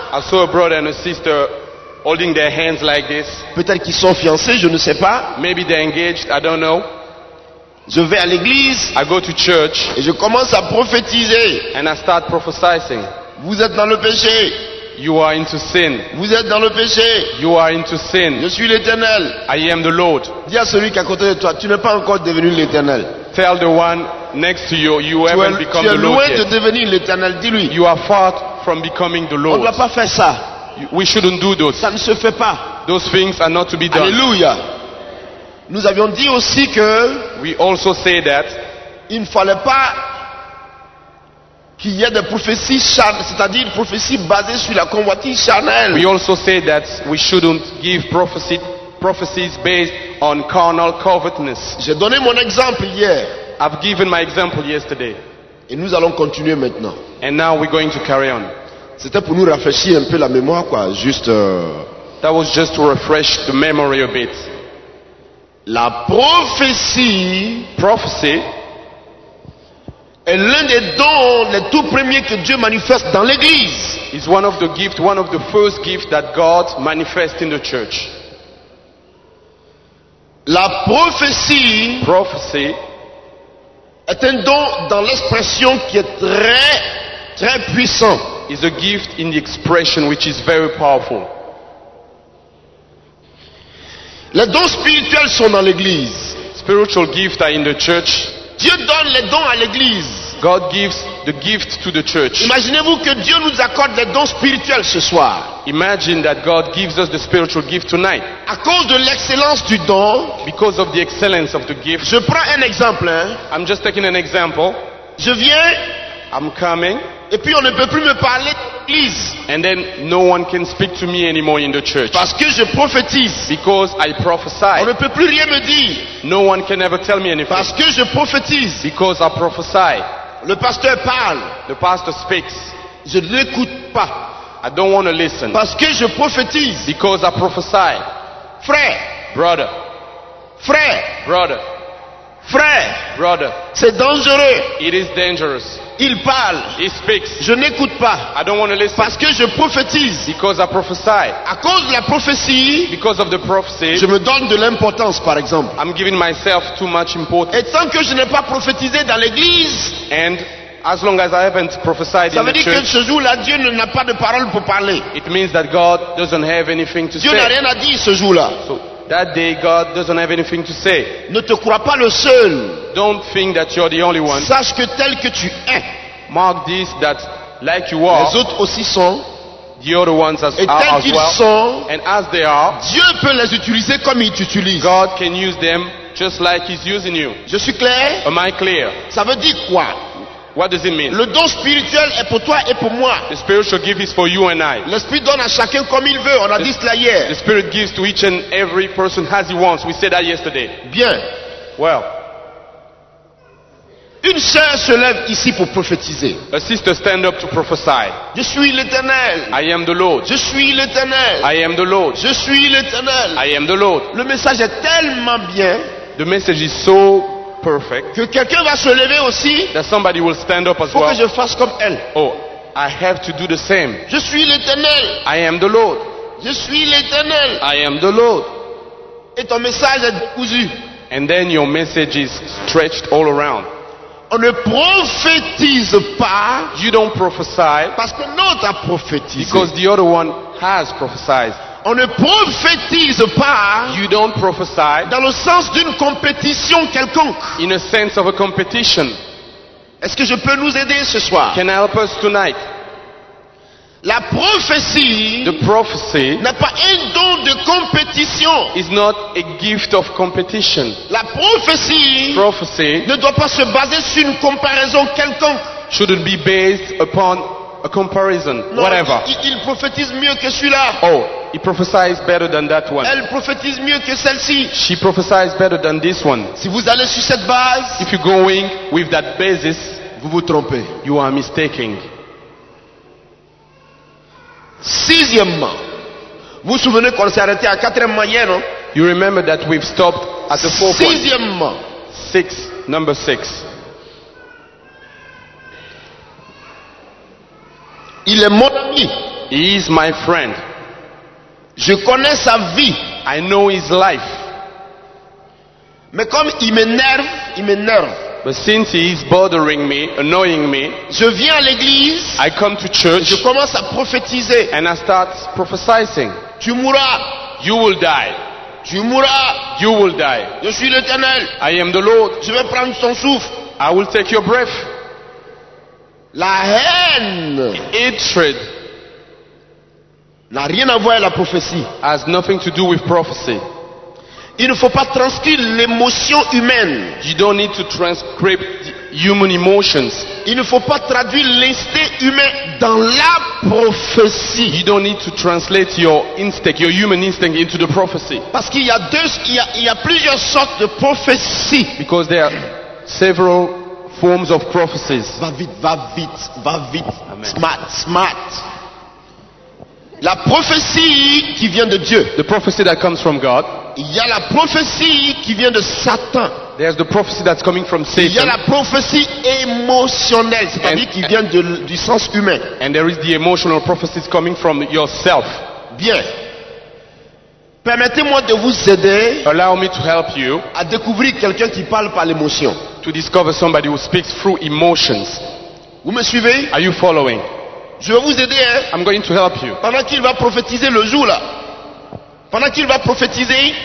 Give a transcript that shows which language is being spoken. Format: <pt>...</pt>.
<en>I saw a brother and a sister holding their hands like this.</en> <fr>Peut-être qu'ils sont fiancés, je ne sais pas.</fr> <en>Maybe they're engaged, I don't know.</en> <fr>Je vais à l'église.</fr> <en>I go to church.</en> <fr>Et je commence à prophétiser.</fr> <en>And I start prophesying.</en> <fr>Vous êtes dans le péché.</fr> <en>You are into sin.</en> <fr>Vous êtes dans le péché.</fr> <en>You are into sin.</en> <fr>Je suis l'Éternel.</fr> <en>I am the Lord.</en> <fr>Dis à celui qui est à côté de toi, tu n'es pas encore devenu l'Éternel.</fr> <en>Tell the one next to you, you haven't become the Lord yet.</en> <fr>Tu es loin de devenir l'Éternel, dis-lui.</fr> <en>You are far from becoming the Lord.</en> <fr>On ne doit pas faire ça.</fr> <en>We shouldn't do those.</en> <fr>Ça ne se fait pas.</fr> <en>Those things are not to be done.</en> <fr>Alléluia. Nous avions dit aussi que</fr> <en>we also say that</en> <fr>il ne fallait pas qu'il y ait des prophéties charnelles, c'est-à-dire des prophéties basées sur la convoitise charnelle.</fr> <en>We also say that we shouldn't give prophecies based on carnal covetousness.</en> <fr>J'ai donné mon exemple hier.</fr> <en>I've given my example yesterday.</en> <fr>Et nous allons continuer maintenant.</fr> <en>And now we're going to carry on.</en> <fr>C'était pour nous rafraîchir un peu la mémoire, quoi. Juste.</fr> <en>That was just to refresh the memory a bit.</en> <fr>La prophétie,</fr> <en>prophecy,</en> <fr>est l'un des dons les tout premiers que Dieu manifeste dans l'Église.</fr> <en>Is one of the gift, one of the first gift that God manifests in the church.</en> <fr>La prophétie,</fr> <en>prophecy,</en> <fr>est un don dans l'expression qui est très, très puissant.</fr> <en>Is a gift in the expression which is very powerful.</en> <fr>Les dons spirituels sont dans l'église.</fr> <en>Spiritual gifts are in the church.</en> <fr>Dieu donne les dons à l'église.</fr> <en>God gives the gift to the church.</en> <fr>Imaginez-vous que Dieu nous accorde les dons spirituels ce soir.</fr> <en>Imagine that God gives us the spiritual gift tonight.</en> <fr>À cause de l'excellence du don,</fr> <en>because of the excellence of the gift.</en> <fr>Je prends un exemple. Hein?</fr> <en>I'm just taking an example.</en> <fr>Je viens.</fr> <en>I'm coming.</en> <fr>Et puis on ne peut plus me parler d'église.</fr> <en>And then no one can speak to me anymore in the church.</en> <fr>Parce que je prophétise.</fr> <en>Because I prophesy.</en> <fr>On ne peut plus rien me dire.</fr> <en>No one can ever tell me anything.</en> <fr>Parce que je prophétise.</fr> <en>Because I prophesy.</en> <fr>Le pasteur parle.</fr> <en>The pastor speaks.</en> <fr>Je ne l'écoute pas.</fr> <en>I don't want to listen.</en> <fr>Parce que je prophétise.</fr> <en>Because I prophesy.</en> <fr>Frère.</fr> <en>Brother.</en> <fr>Frère.</fr> <en>Brother.</en> <fr>Frère,</fr> <en>brother,</en> <fr>c'est dangereux.</fr> <en>It is dangerous.</en> <fr>Il parle.</fr> <en>He speaks.</en> <fr>Je n'écoute pas.</fr> <en>I don't want to listen.</en> <fr>Parce que je prophétise.</fr> <en>Because I prophesy.</en> <fr>À cause de la prophétie.</fr> <en>Because of the prophecy.</en> <fr>Je me donne de l'importance, par exemple.</fr> <en>I'm giving myself too much importance.</en> <fr>Et tant que je n'ai pas prophétisé dans l'église.</fr> <en>And as long as I haven't prophesied in the church.</en> <fr>Ça veut dire que ce jour-là, Dieu n'a pas de parole pour parler.</fr> <en>It means that God doesn't have anything to say.</en> <fr>Dieu n'a rien à dire ce jour-là.</fr> <en>So, that day God doesn't have anything to say.</en> <fr>Ne te crois pas le seul.</fr> <en>Don't think that you're the only one.</en> <fr>Sache que tel que tu es.</fr> <en>Mark this, that like you are.</en> <fr>Les autres aussi sont.</fr> <en>The other ones as,</en> <fr>et tel</fr> <en>are as</en> <fr>qu'ils</fr> <en>well.</en> <fr>Sont.</fr> <en>And as they are.</en> <fr>Dieu peut les utiliser comme il t'utilise.</fr> <en>God can use them just like he's using you.</en> <fr>Je suis clair?</fr> <en>Am I clear?</en> <fr>Ça veut dire quoi?</fr> <en>What does it mean?</en> <fr>Le don spirituel est pour toi et pour moi.</fr> <en>The spiritual gift is for you and I.</en> <fr>L'esprit donne à chacun comme il veut. On a dit cela hier.</fr> <en>The spirit gives to each and every person as he wants. We said that yesterday.</en> <fr>Bien.</fr> <en>Well.</en> <fr>Une sœur se lève ici pour prophétiser.</fr> <en>A sister stand up to prophesy.</en> <fr>Je suis l'Éternel.</fr> <en>I am the Lord.</en> <fr>Je suis l'Éternel.</fr> <en>I am the Lord.</en> <fr>Je suis l'Éternel.</fr> <en>I am the Lord.</en> <fr>Le message est tellement bien.</fr> <en>The message is so perfect.</en> <fr>Que quelqu'un va se lever aussi.</fr> <en>That somebody will stand up as</en> <fr>faut</fr> <en>well.</en> <fr>Que je fasse comme elle.</fr> <en>Oh, I have to do the same.</en> <fr>Je suis l'Éternel.</fr> <en>I am the Lord.</en> <fr>Je suis l'Éternel.</fr> <en>I am the Lord.</en> <fr>Et ton message est décousu.</fr> <en>And then your message is stretched all around.</en> <fr>On ne prophétise pas.</fr> <en>You don't prophesy.</en> <fr>Parce que l'autre a prophétisé.</fr> <en>Because the other one has prophesied.</en> <fr>On ne prophétise pas.</fr> <en>You don't prophesy.</en> <fr>Dans le sens d'une compétition quelconque.</fr> <en>In a sense of a competition.</en> <fr>Est-ce que je peux nous aider ce soir?</fr> <en>Can I help us tonight?</en> <fr>La prophétie.</fr> <en>The prophecy.</en> <fr>N'est pas un don de compétition.</fr> <en>Is not a gift of competition.</en> <fr>La prophétie.</fr> <en>Prophecy.</en> <fr>Ne doit pas se baser sur une comparaison quelconque.</fr> <en>Shouldn't be based upon a comparison,</en> <fr>non,</fr> <en>whatever.</en> <fr>Il prophétise mieux que celui-là.</fr> <en>Oh, he prophesies better than that one.</en> <fr>Elle prophétise mieux que celle-ci.</fr> <en>She prophesies better than this one.</en> <fr>Si vous allez sur cette base,</fr> <en>if you're going with that basis,</en> <fr>vous vous trompez.</fr> <en>You are mistaken.</en> <fr>Sixièmement, vous souvenez qu'on s'est arrêté à quatrièmement hier, non?</fr> <en>You remember that we've stopped at the fourth point.</en> <fr>Sixièmement.</fr> <en>Six, number six.</en> <fr>Il est mon ami.</fr> <en>He is my friend.</en> <fr>Je connais sa vie.</fr> <en>I know his life.</en> <fr>Mais comme il m'énerve.</fr> <en>But since he is bothering me, annoying me,</en> <fr>je viens à l'église,</fr> <en>I come to church,</en> <fr>je commence à prophétiser,</fr> <en>and I start prophesizing.</en> <fr>Tu mourras.</fr> <en>You will die.</en> <fr>Tu mourras.</fr> <en>You will die.</en> <fr>Je suis l'Éternel.</fr> <en>I am the Lord.</en> <fr>Je vais prendre ton souffle.</fr> <en>I will take your breath.</en> <fr>La haine,</fr> <en>hatred,</en> <fr>n'a rien à voir avec la prophétie.</fr> <en>Has nothing to do with prophecy.</en> <fr>Il ne faut pas transcrire l'émotion humaine.</fr> <en>You don't need to transcribe human emotions.</en> <fr>Il ne faut pas traduire l'instinct humain dans la prophétie.</fr> <en>You don't need to translate your instinct, your human instinct, into the prophecy.</en> <fr>Parce qu'il y a deux, il y a plusieurs sortes de prophéties.</fr> <en>Because there are several forms of prophecies.</en> <fr>Va vite, va vite, va vite. Amen.</fr> <en>Smart, smart.</en> <fr>La prophétie qui vient de Dieu.</fr> <en>The prophecy that comes from God.</en> <fr>Il y a la prophétie qui vient de Satan.</fr> <en>There's the prophecy that's coming from Satan.</en> <fr>Il y a la prophétie émotionnelle, c'est-à-dire qui vient du sens humain.</fr> <en>And there is the emotional prophecies coming from yourself.</en> <fr>Bien. Permettez-moi de vous aider.</fr> <en>Allow me to help you.</en> <fr>À découvrir quelqu'un qui parle par l'émotion.</fr> <en>To discover somebody who speaks through emotions.</en> <fr>Vous me suivez?</fr> <en>Are you following?</en> <fr>Je vais vous aider. Hein?</fr> <en>I'm going to help you.</en> <fr>Pendant qu'il va prophétiser le jour là. Pendant qu'il va prophétiser,</fr>